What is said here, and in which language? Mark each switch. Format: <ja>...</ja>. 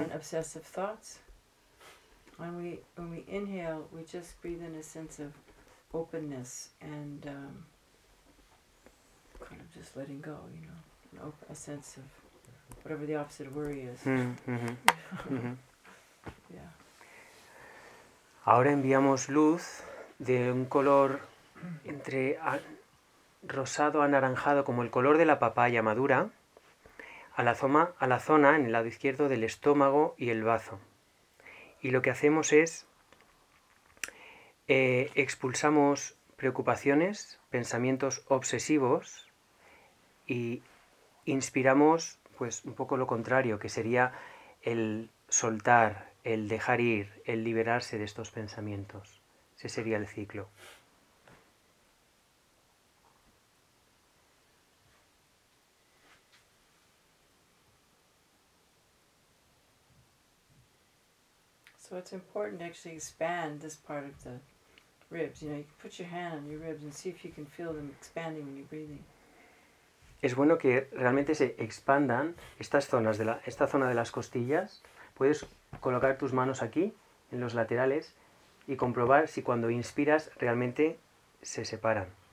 <en>and obsessive thoughts. And when we inhale, we just breathe in a sense of openness and kind of just letting go, you know, a sense of whatever the opposite of worry is. Mm-hmm. mm-hmm. Yeah.</en> <es>Ahora enviamos luz de un color entre rosado, anaranjado, como el color de la papaya madura, a la zona en el lado izquierdo del estómago y el bazo. Y lo que hacemos es expulsamos preocupaciones, pensamientos obsesivos y inspiramos pues un poco lo contrario, que sería el soltar, el dejar ir, el liberarse de estos pensamientos. Ese sería el ciclo.</es> <en>So it's important to actually expand this part of the ribs. You know, you can put your hand on your ribs and see if you can feel them expanding when you're breathing.</en> <es>Es bueno que realmente se expandan estas zonas de esta zona de las costillas. Puedes colocar tus manos aquí en los laterales y comprobar si cuando inspiras realmente se separan.</es>